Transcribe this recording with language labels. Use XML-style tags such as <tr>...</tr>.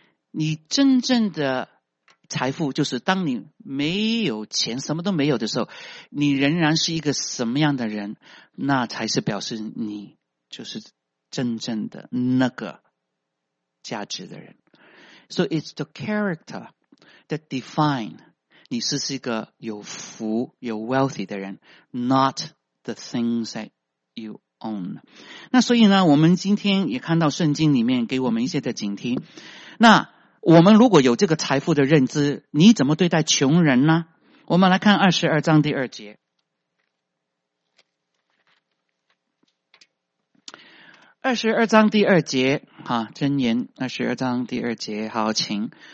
<zh>你真正的财富就是当你没有钱，什么都没有的时候，你仍然是一个什么样的人，那才是表示你就是真正的那个价值的人。</zh> <en>So it's the character that define</en> <zh>你是一个有福有</zh> <en>wealthy</en> <zh>的人，</zh> <en>not the things that you own。</en> <zh>那所以呢，我们今天也看到圣经里面给我们一些的警惕。那我们如果有这个财富的认知，你怎么对待穷人呢？我们来看22章第二节，22章第二节，箴言22章第二节，好，请。</zh>